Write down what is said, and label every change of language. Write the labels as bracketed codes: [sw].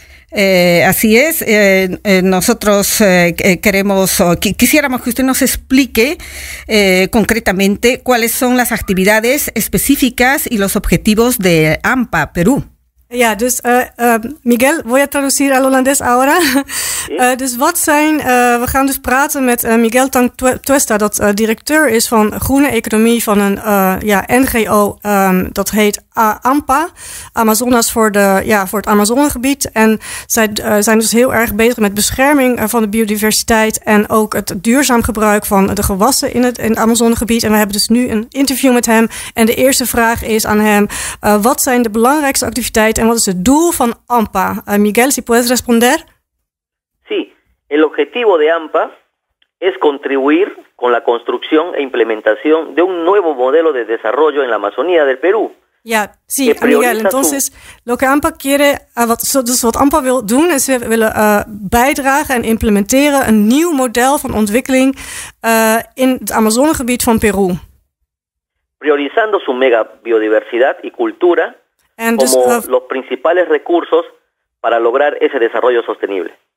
[es] Así es. Nosotros quisiéramos que usted nos explique concretamente cuáles son las actividades específicas y los objetivos de AMPA Perú. [nl] Ja, dus [es] Miguel, voy a traducir al holandés ahora. [nl] We gaan dus praten met Miguel Tantuesta, dat directeur is van Groene Economie van een NGO, dat heet AMPA, Amazonas voor de, voor het Amazonegebied. En zij zijn dus heel erg bezig met bescherming van de biodiversiteit en ook het duurzaam gebruik van de gewassen in het Amazonegebied. En we hebben dus nu een interview met hem. En de eerste vraag is aan hem, wat zijn de belangrijkste activiteiten en wat is het doel van AMPA? [es] Miguel, si puedes responder. Sí, el objetivo de AMPA es contribuir con la construcción e implementación de un nuevo modelo de desarrollo en la Amazonía del Perú. [nl] Ja, [es] sí, Miguel, entonces, lo que AMPA quiere, [nl] wat AMPA wil doen, is we willen bijdragen en implementeren een nieuw model van ontwikkeling in het Amazonegebied van Peru. [es] Priorizando su mega biodiversidad y cultura en como dus, los principales recursos para lograr ese desarrollo sostenible.